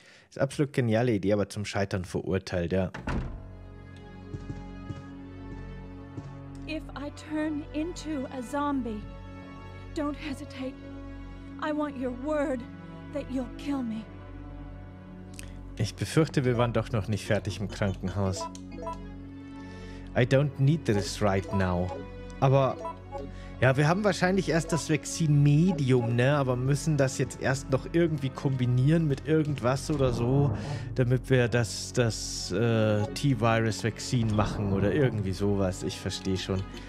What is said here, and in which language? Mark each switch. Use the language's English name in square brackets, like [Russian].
[German] Ist absolut geniale Idee, aber zum Scheitern verurteilt, ja. [English] If I turn into a zombie, don't hesitate. I want your word that you'll kill me. [German] Ich befürchte, wir waren doch noch nicht fertig im Krankenhaus. [English] I don't need this right now. [German] Aber ja, wir haben wahrscheinlich erst das Vaccine-Medium, ne? Aber müssen das jetzt erst noch irgendwie kombinieren mit irgendwas oder so, damit wir das T-Virus-Vaccine machen oder irgendwie sowas. Ich verstehe schon.